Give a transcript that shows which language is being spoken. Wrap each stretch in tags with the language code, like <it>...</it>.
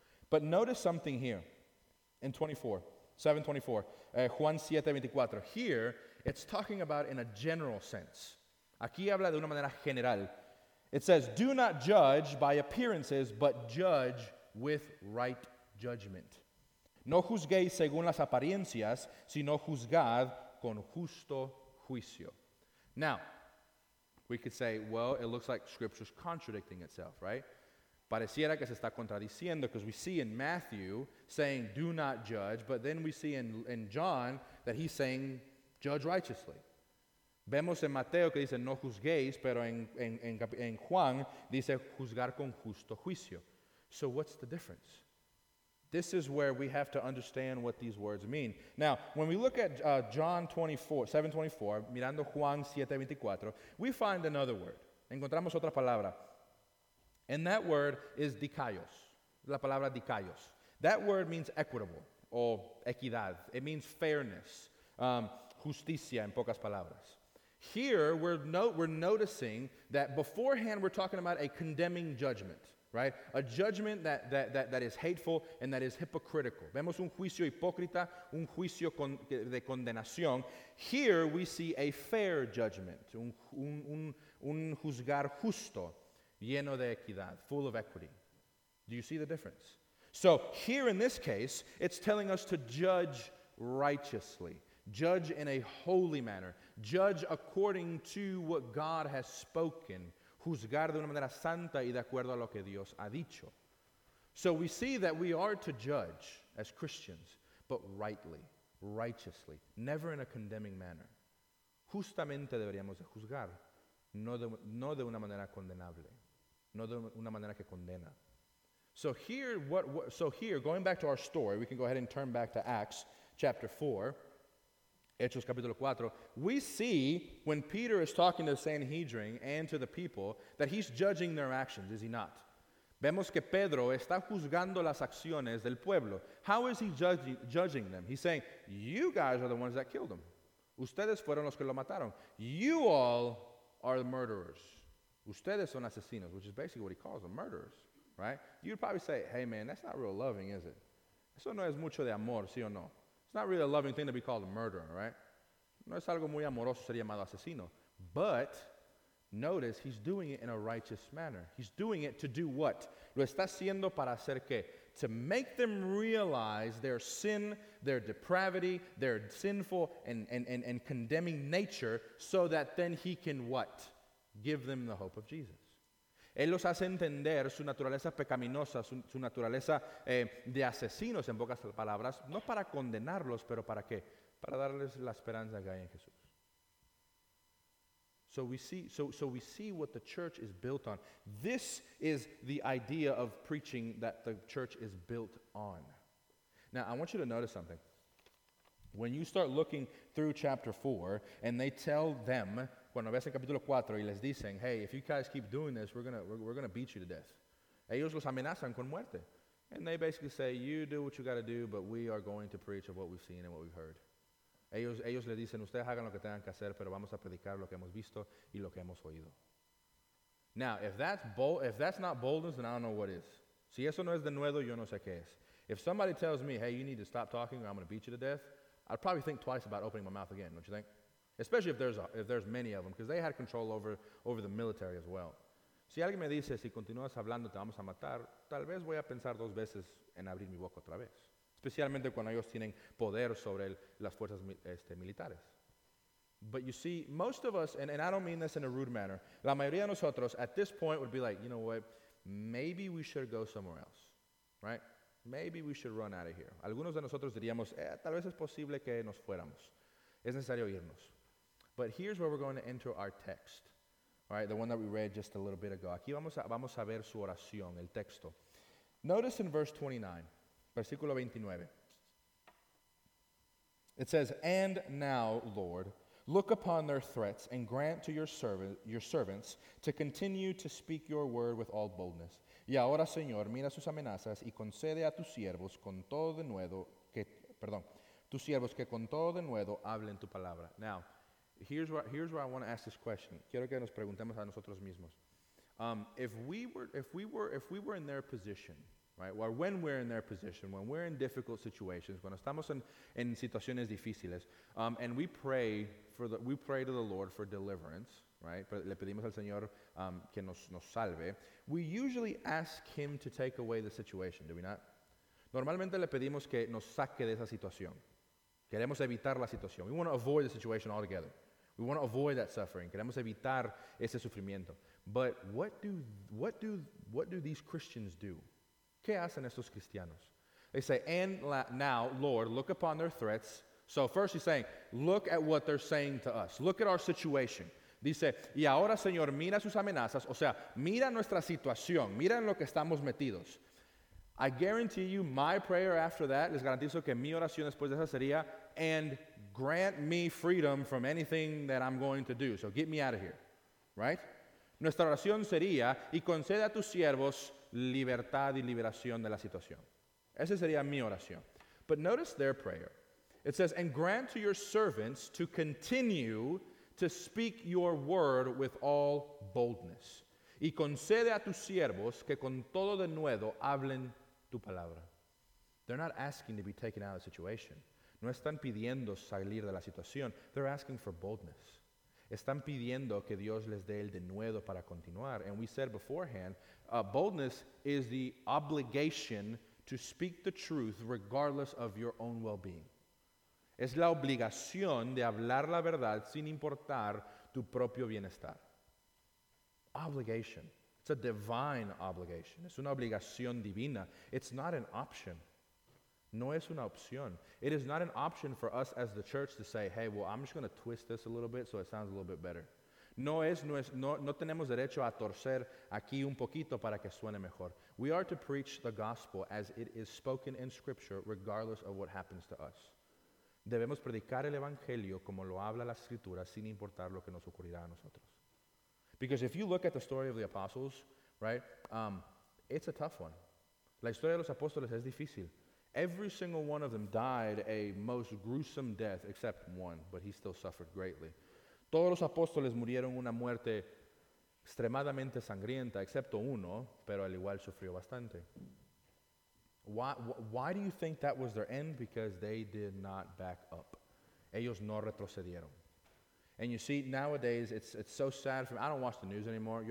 <en>But notice something here in 7:24, Juan 7:24. Here, it's talking about in a general sense.</en> <es>Aquí habla de una manera general.</es> <en>It says, do not judge by appearances, but judge with right judgment.</en> <es>No juzguéis según las apariencias, sino juzgad con justo juicio.</es> <en>Now, we could say, well, it looks like Scripture's contradicting itself, right?</en> <es>Pareciera que se está contradiciendo,</es> <en>because we see in Matthew saying, do not judge, but then we see in John that he's saying, judge righteously.</en> <es>Vemos en Mateo que dice, no juzguéis, pero en Juan dice, juzgar con justo juicio.</es> <en>So what's the difference? This is where we have to understand what these words mean. Now, when we look at John 7:24,</en> <es>mirando Juan 7:24,</es> <en>we find another word.</en> <es>Encontramos otra palabra.</es> <en>And that word is dikaios.</en> <es>La palabra dikaios.</es> <en>That word means equitable</en> <es>o equidad.</es> <en>It means fairness.</en> <es>Justicia, en pocas palabras.</es> <en>Here, we're noticing that beforehand, we're talking about a condemning judgment. Right, a judgment that is hateful and that is hypocritical.</en> <es>Vemos un juicio hipócrita, un juicio de condenación.</es> <en>Here we see a fair judgment,</en> <es>un juzgar justo, lleno de equidad,</es> <en>full of equity. Do you see the difference? So here in this case, it's telling us to judge righteously, judge in a holy manner, judge according to what God has spoken.</en> <es>Juzgar de una manera santa y de acuerdo a lo que Dios ha dicho.</es> <en>So we see that we are to judge as Christians, but rightly, righteously, never in a condemning manner.</en> <es>Justamente deberíamos de juzgar, no de una manera condenable, no de una manera que condena.</es> <en>So here, going back to our story, we can go ahead and turn back to Acts chapter 4,</en> <es>Hechos capítulo 4,</es> <en>we see when Peter is talking to the Sanhedrin and to the people that he's judging their actions, is he not?</en> <es>Vemos que Pedro está juzgando las acciones del pueblo.</es> <en>How is he judging them? He's saying, you guys are the ones that killed him.</en> <es>Ustedes fueron los que lo mataron.</es> <en>You all are the murderers.</en> <es>Ustedes son asesinos,</es> <en>which is basically what he calls them, murderers, right? You'd probably say, hey man, that's not real loving, is it?</en> <es>Eso no es mucho de amor, sí o no?</es> <en>It's not really a loving thing to be called a murderer, right?</en> <es>No es algo muy amoroso ser llamado asesino.</es> <en>But notice he's doing it in a righteous manner. He's doing it to do what? Lo está haciendo para hacer qué? To make them realize their sin, their depravity, their sinful and condemning nature, so that then he can what? Give them the hope of Jesus.</en> <es>Él los hace entender su naturaleza pecaminosa, su naturaleza de asesinos, en pocas palabras, no para condenarlos, pero ¿para qué? Para darles la esperanza que hay en Jesús.</es> <en>So we see what the church is built on. This is the idea of preaching that the church is built on. Now, I want you to notice something. When you start looking through chapter 4, and they tell them,</en> <es>cuando ves el capítulo 4 y les dicen,</es> <en>hey, if you guys keep doing this, we're gonna beat you to death.</en> <es>Ellos los amenazan con muerte.</es> <en>And they basically say, you do what you got to do, but we are going to preach of what we've seen and what we've heard.</en> <es>Ellos les dicen, ustedes hagan lo que tengan que hacer, pero vamos a predicar lo que hemos visto y lo que hemos oído.</es> <en>Now, if that's not boldness, then I don't know what is.</en> <es>Si eso no es denuedo, yo no sé qué es.</es> <en>If somebody tells me, hey, you need to stop talking or I'm going to beat you to death, I'd probably think twice about opening my mouth again, don't you think? Especially if there's many of them, because they had control over the military as well.</en> <es>Si alguien me dice, si continúas hablando, te vamos a matar, tal vez voy a pensar dos veces en abrir mi boca otra vez. Especialmente cuando ellos tienen poder sobre las fuerzas militares.</es> <en>But you see, most of us, and I don't mean this in a rude manner,</en> <es>la mayoría de nosotros</es> <en>at this point would be like, you know what, maybe we should go somewhere else, right? Maybe we should run out of here.</en> <es>Algunos de nosotros diríamos, tal vez es posible que nos fuéramos. Es necesario irnos.</es> <en>But here's where we're going to enter our text. All right, the one that we read just a little bit ago.</en> <es>Aquí vamos a ver su oración, el texto.</es> <en>Notice in verse 29,</en> <es>versículo 29.</es> <en>It says, "And now, Lord, look upon their threats and grant to your servants to continue to speak your word with all boldness.</en> <es>Y ahora, Señor, mira sus amenazas y concede a tus siervos con todo denuedo que, perdón, tus siervos que con todo denuedo hablen tu palabra."</es> <en>Now, here's where I want to ask this question.</en> <es>Quiero que nos preguntemos a nosotros mismos.</es> <en>If we were in their position, right? Well, when we're in their position, when we're in difficult situations,</en> <es>cuando estamos en situaciones difíciles,</es> <en>and we pray to the Lord for deliverance, right?</en> <es>Le pedimos al Señor que nos salve.</es> <en>We usually ask Him to take away the situation, do we not?</en> <es>Normalmente le pedimos que nos saque de esa situación. Queremos evitar la situación.</es> <en>We want to avoid the situation altogether. We want to avoid that suffering.</en> <es>Queremos evitar ese sufrimiento.</es> <en>But what do these Christians do?</en> <es>¿Qué hacen estos cristianos?</es> <en>They say, "And now, Lord, look upon their threats." So first he's saying, look at what they're saying to us. Look at our situation.</en> <es>Dice, "Y ahora, Señor, mira sus amenazas." O sea, mira nuestra situación. Mira en lo que estamos metidos.</es> <en>I guarantee you, my prayer after that,</en> <es>les garantizo que mi oración después de esa sería,</es> <en>"And grant me freedom from anything that I'm going to do. So get me out of here." Right?</en> <es>Nuestra oración sería, "Y concede a tus siervos libertad y liberación de la situación." Esa sería mi oración.</es> <en>But notice their prayer. It says, "And grant to your servants to continue to speak your word with all boldness."</en> <es>Y concede a tus siervos que con todo denuedo hablen tu palabra.</es> <en>They're not asking to be taken out of the situation.</en> <es>No están pidiendo salir de la situación.</es> <en>They're asking for boldness.</en> <es>Están pidiendo que Dios les dé el denuedo para continuar.</es> <en>And we said beforehand, boldness is the obligation to speak the truth regardless of your own well-being.</en> <es>Es la obligación de hablar la verdad sin importar tu propio bienestar.</es> <en>Obligation. It's a divine obligation.</en> <es>Es una obligación divina.</es> <en>It's not an option.</en> <es>No es una opción.</es> <en>It is not an option for us as the church to say, "Hey, well, I'm just going to twist this a little bit so it sounds a little bit better."</en> <es>No es, no tenemos derecho a torcer aquí un poquito para que suene mejor.</es> <en>We are to preach the gospel as it is spoken in Scripture, regardless of what happens to us.</en> <es>Debemos predicar el Evangelio como lo habla la Escritura, sin importar lo que nos ocurrirá a nosotros.</es> <en>Because if you look at the story of the apostles, right, it's a tough one.</en> <es>La historia de los apóstoles es difícil.</es> <en>Every single one of them died a most gruesome death, except one, but he still suffered greatly.</en> <es>Todos los apóstoles murieron una muerte extremadamente sangrienta, excepto uno, pero al igual sufrió bastante.</es> <en>Why do you think that was their end? Because they did not back up.</en> <es>Ellos no retrocedieron.</es> <en>And you see, nowadays, it's so sad for me. I don't watch the news anymore.</en>